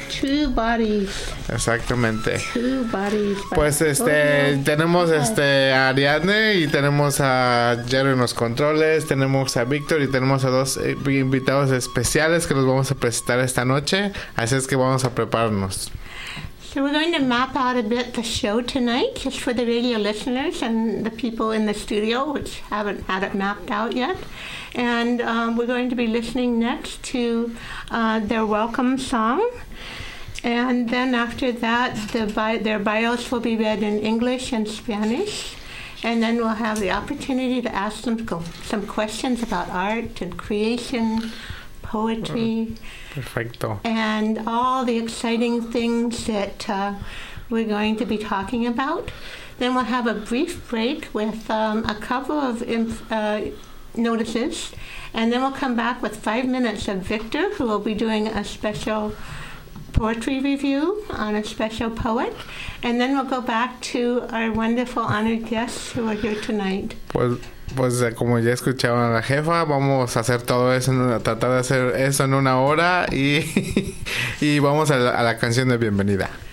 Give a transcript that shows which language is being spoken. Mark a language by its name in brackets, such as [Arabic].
[English] Two bodies. [Spanish] Exactamente. [English] Two bodies. [Spanish] Pues tenemos a Ariadne y tenemos a Jerry en los controles, tenemos a Víctor y tenemos a dos invitados especiales que los vamos a presentar esta noche. Así es que vamos a prepararnos. [English] So we're going to map out a bit the show tonight, just for the radio listeners and the people in the studio, which haven't had it mapped out yet. And we're going to be listening next to their welcome song. And then after that, their bios will be read in English and Spanish. And then we'll have the opportunity to ask them some questions about art and creation, poetry. [Spanish] Perfecto. [English] And all the exciting things that we're going to be talking about. Then we'll have a brief break with a couple of notices. And then we'll come back with 5 minutes of Victor, who will be doing a special poetry review on a special poet. And then we'll go back to our wonderful honored guests who are here tonight. Well. [Spanish] Pues como ya escucharon a la jefa, vamos a hacer todo eso, tratar de hacer eso en una hora y vamos a la canción de bienvenida.